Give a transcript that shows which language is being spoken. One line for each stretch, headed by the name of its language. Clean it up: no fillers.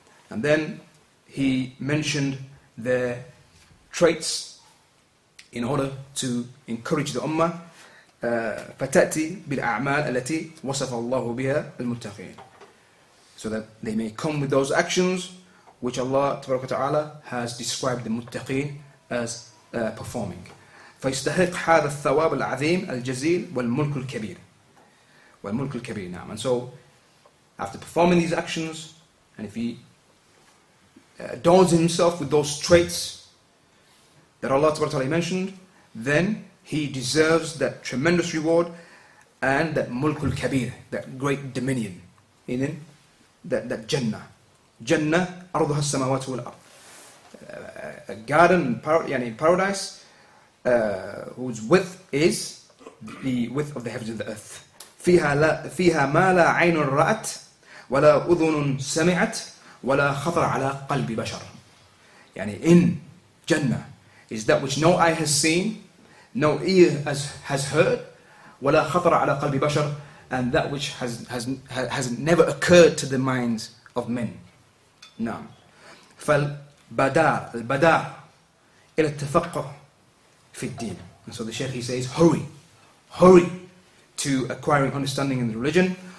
English: And then he mentioned their traits in order to encourage the ummah.
Arabic: فَتَأْتِي بِالْأَعْمَالِ الَّتِي وَصَفَ اللَّهُ بِهَا الْمُتَّقِينَ.
English: So that they may come with those actions which Allah Ta'ala has described the muttaqeen as performing.
Arabic: فيستحق هذا الثواب العظيم الجزيل والملك الكبير. والملك الكبير, نعم.
English: And so, after performing these actions, and if he adorns himself with those traits that Allah Ta'ala mentioned, then he deserves that tremendous reward and that mulk al-kabir, that great dominion. Meaning that Jannah.
Arabic: Jannah, أرضها السماوات والأرض.
English: A garden in paradise whose width is the width of the heavens and the earth.
Arabic: فيها ما لا عين رأت ولا أذن سمعت ولا خطر على قلب بشر.
English: يعني in Jannah is that which no eye has seen, no ear has heard,
Arabic: ولا خطر على قلب بشر,
English: and that which has never occurred to the minds of men.
Arabic: نعم. فالبدار, البدار إلى التفقه في الدين.
English: And so the Shaykh, he says, hurry to acquiring understanding in the religion.